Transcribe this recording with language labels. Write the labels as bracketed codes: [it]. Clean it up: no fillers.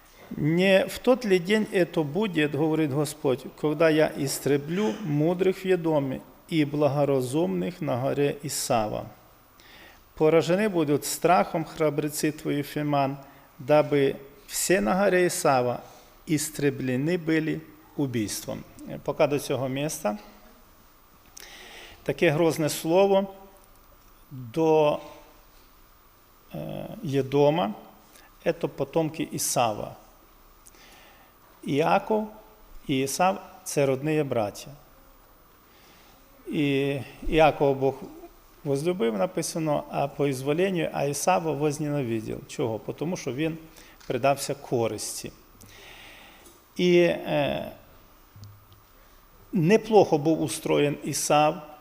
[ru] Не в тот ли день это будет, говорит Господь, когда я истреблю мудрых в Едоме и благоразумных на горе Исава? Поражены будут страхом храбрецы твои Фиман, дабы все на горе Исава истреблены были убийством. Пока до цього места. [uk] Таке грозне слово до Єдома. [ru] Это потомки Исава. Иаков и Исав – це родные братья. [uk] И Иакова Бог возлюбив, написано, а по ізволенню, а Ісава возненавидів. Чого? Тому що він предався користі. І неплохо був устроєн Ісав.